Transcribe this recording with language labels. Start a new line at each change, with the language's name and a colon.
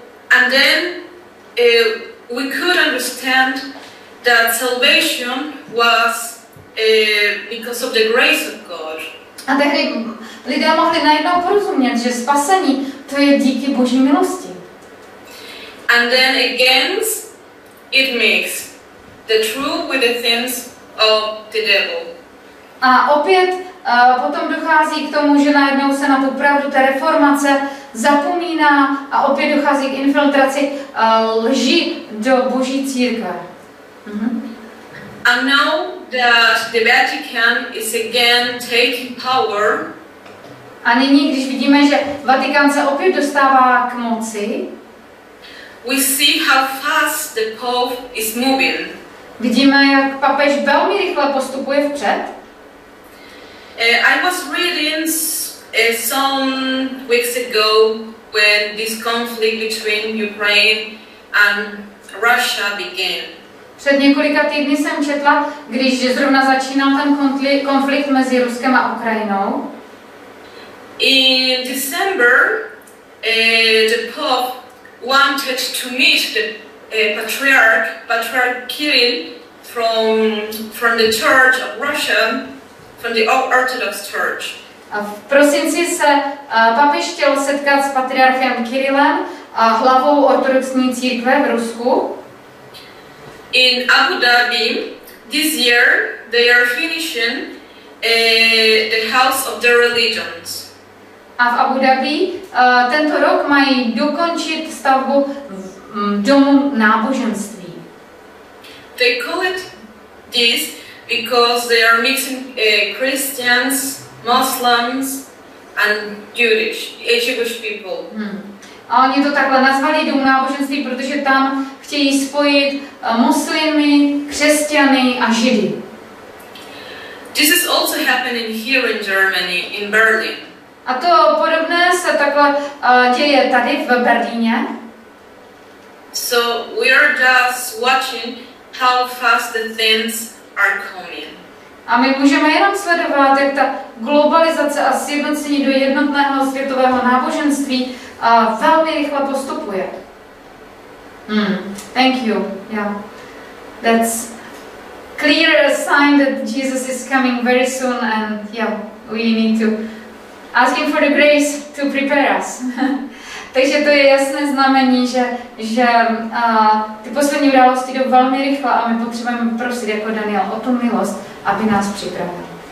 English: And then we could understand that salvation was because of the grace of God.
Czech: A tehdy lidé mohli najednou porozumět, že spasení to je díky Boží milosti.
English: And then again, it makes the true with the things of the devil.
Czech: A opět potom dochází k tomu, že najednou se na tu pravdu té reformace zapomíná a opět dochází k infiltraci lži do Boží církve.
English: And now that the Vatican is again taking power.
Czech: A nyní, když vidíme, že Vatikán se opět dostává k moci,
English: we see how fast the Pope is moving.
Czech: Vidíme, jak papež velmi rychle postupuje vpřed.
English: I was reading some weeks ago when this conflict between Ukraine and Russia began.
Czech: Před několika týdny jsem četla, když zrovna začínal ten konflikt mezi Ruskem a Ukrajinou.
English: In December, the Pope wanted to meet the Patriarch Kirill from the Church of Russia, from the Orthodox Church.
Czech: A v prosinci se papež chtěl setkat s patriarchem Kirillem, hlavou ortodoxní církve v Rusku.
English: In Abu Dhabi, this year, they are finishing the House of the Religions.
Czech: A v Abu Dhabi tento rok mají dokončit stavbu domu náboženství.
English: They call it this because they are mixing Christians, Muslims and Jewish people.
Czech: A oni to takhle nazvali dům náboženství, protože tam chtějí spojit muslimy, křesťany a židy.
English: This is also happening here in Germany, in Berlin.
Czech: A to podobné se takhle děje tady v Berlíně.
English: So we are just watching how fast the things are coming.
Czech: A my můžeme jenom sledovat, jak ta globalizace a sjednocení do jednotného světového náboženství a velmi rychle postupuje.
English: Thank you. Yeah. That's clear a sign that Jesus is coming very soon and yeah, we need to ask him for the grace to prepare us.
Czech: Takže to je jasné znamení, že ty poslední události jdou velmi rychle a my potřebujeme prosit jako Daniel o tu milost, aby nás připravil.